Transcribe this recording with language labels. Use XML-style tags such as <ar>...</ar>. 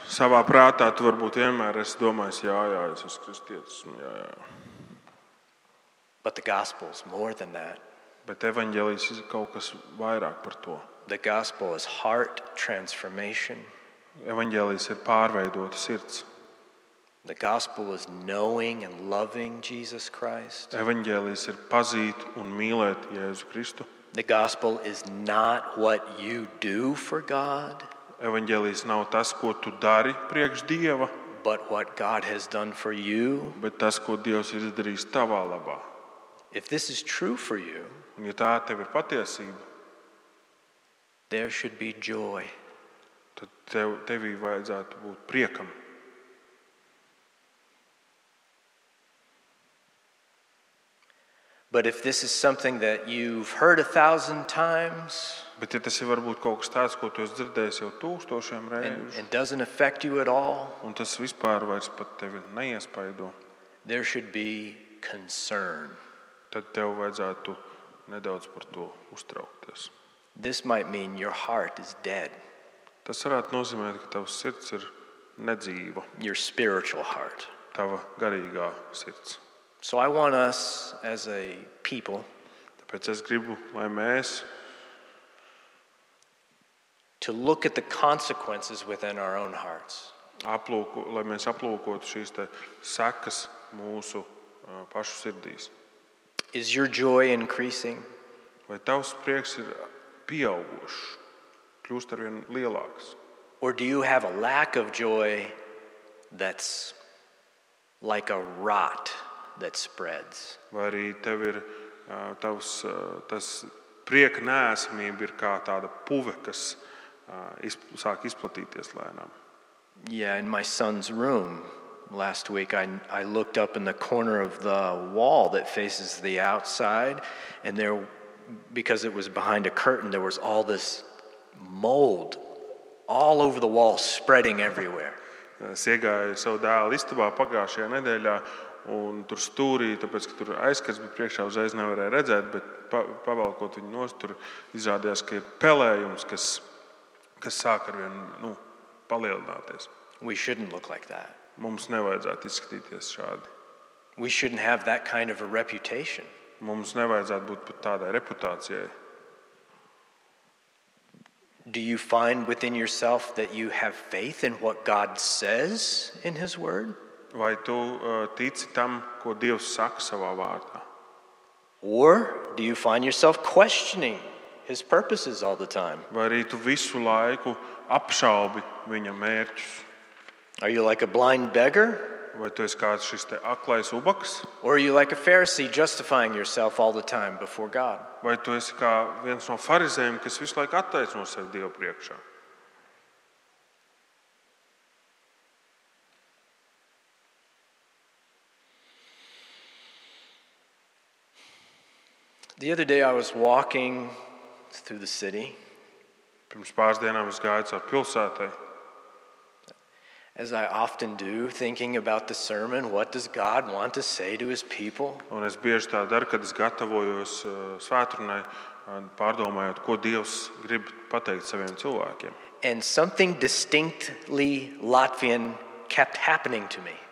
<lv>Savā prātā tu varbūt vienmēr esi domājis, jā, jā, es esmu kristietis, jā, jā.</lv> <en>But the gospel is more than that.</en> <lv>Bet evaņģēlijs ir kaut kas vairāk par to.</lv> <en>The gospel is heart transformation.</en> <lv>Evaņģēlijs ir pārveidota sirds.</lv> <en>The gospel is knowing and loving Jesus Christ.</en> <lv>Evaņģēlijs ir pazīt un mīlēt Jēzu Kristu.</lv> <en>The gospel is not what you do for God.</en> <lv>Evaņģēlijs nav tas, ko tu dari priekš Dieva.</lv> <en>But what God has done for you.</en> <lv>Bet tas, ko Dievs ir izdarījis tavā labā.</lv> <en>If this is true for you.</en> <lv>Un ja tā tev ir patiesība.</lv> <en>There should be joy.</en> <lv>Tad tevī vajadzētu būt priekam.</lv> <en>But if this is something that you've heard a thousand times,</en> <lv>bet ja tas ir varbūt kaut kas tāds, ko tu esi dzirdējis jau tūkstošiem reižu,</lv> <en>and doesn't affect you at all,</en> <lv>un tas vispār vairs pat tevi neiespaido,</lv> <en>there should be concern.</en> <lv>Tad tev vajadzētu nedaudz par to uztraukties.</lv> <en>This might mean your heart is dead.</en> <lv>Tas varētu nozīmēt, ka tavs sirds ir nedzīva.</lv> <en>Your spiritual heart.</en> <lv>Tava garīgā sirds.</lv> <en>So I want us as a people,</en> <lv>tāpēc es gribu, lai mēs,</lv> <en>to look at the consequences within our own hearts.</en> <lv>Lai mēs aplūkotu šīs te sekas mūsu pašu sirdīs.</lv> <en>Is your joy increasing?</en> <lv>Vai tavs prieks ir pieaugušs, kļūst arvien lielāks?</lv> <en>Or do you have a lack of joy that's like a rot? That spreads.</en> <lv>Vai arī tev ir tavs tas prieka neesmība ir kā tāda puve, kas sāk izplatīties lēnām.</lv> <en>Yeah, in my son's room last week I looked up in the corner of the wall that faces the outside and there because it was behind a curtain there was all this mold all over the wall spreading everywhere.</en> <lv>Es iegāju savu dēlu istabā pagājušajā nedēļā. Un tur stūrī, tāpēc, ka tur aizskats, bet priekšā uzreiz nevarēja redzēt, bet pavalkot viņu nost, tur izrādījās, ka ir pelējums, kas sāk arvien, nu, palielināties.</lv> <en>We shouldn't look like that.</en> <lv>Mums nevajadzētu izskatīties šādi.</lv> <en>We shouldn't have that kind of a reputation.</en> <lv>Mums nevajadzētu būt pat tādai reputācijai.</lv> <en>Do you find within yourself that you have faith in what God says in his word?</en> <lv>Vai tu tici tam, ko Dievs saka savā vārdā?</lv> <en>Or do you find yourself questioning his purposes all the time?</en> <lv>Vai arī tu visu laiku apšaubi viņa mērķus?</lv> <en>Are you like a blind beggar?</en> <lv>Vai tu esi kāds šis te aklais ubaks?</lv> <en>Or are you like a Pharisee justifying yourself all the time before God?</en> <lv>Vai tu esi kā viens no farizējiem, kas visu laiku attaisno sevi Dieva priekšā?</lv> <en>The other day I was walking through the city.</en> <lv>Pirms pāris dienām es gāju caur pilsētai.</lv> <en>As I often do, thinking about the sermon, what does God want to say to his people?</en> <lv>Un es bieži tā daru, kad es gatavojos svētrunai, pārdomājot, ko Dievs grib pateikt saviem cilvēkiem.</lv> <en>And something distinctly Latvian kept happening to me.</en>